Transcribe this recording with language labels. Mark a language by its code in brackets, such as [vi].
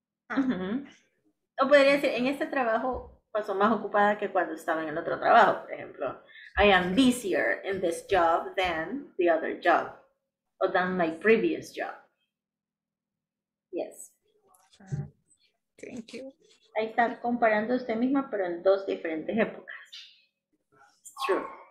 [es] Uh-huh. O podría decir, en este trabajo paso más ocupada que cuando estaba en el otro trabajo, por ejemplo. [en] I am busier in this job than the other job, or than my previous job. Yes. Thank you. [es] Ahí está comparando usted misma, pero en dos diferentes épocas. [en] It's true.